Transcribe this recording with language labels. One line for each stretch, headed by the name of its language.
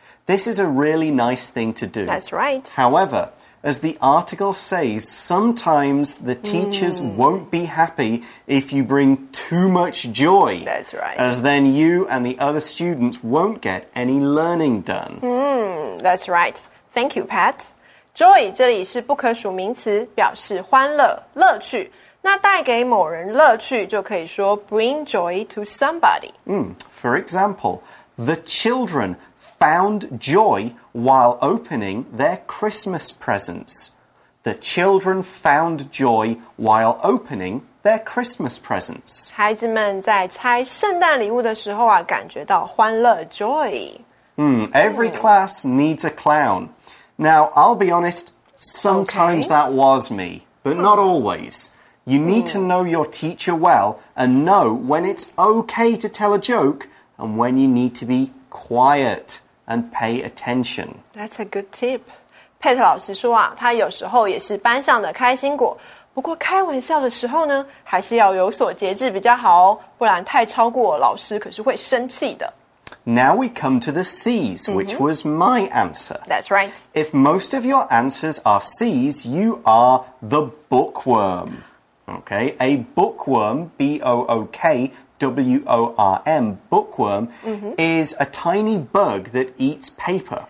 English: This is a really nice thing to do. That's right. However, as the article says, sometimes the teachers won't be happy if you bring too much joy. That's right. As then you and the other students won't get any learning done. That's right. Thank you, Pat.
Chinese: Joy 这里是不可数名词，表示欢乐、乐趣。那带给某人乐趣就可以说
English: bring joy to somebody. For example, the children found joy while opening their Christmas presents. The children found joy while opening their Christmas presents.
Chinese: 孩子们在拆圣诞礼物的时候啊，感觉到欢乐 joy.
English: Every class needs a clown. Now, I'll be honest, sometimes that was me, but not always. You need to know your teacher well and know when it's okay to tell a joke and when you need to be quiet and pay attention. That's a good tip.
Chinese: Pat 老师说啊，他有时候也是班上的开心果，不过开玩笑的时候呢，还是要有所节制比较好哦，不然太超过老师可是会生气的。
English: Now we come to the C's, which was my answer. That's right. If most of your answers are C's, you are the bookworm. Okay, a bookworm, B-O-O-K-W-O-R-M, bookworm, is a tiny bug that eats paper.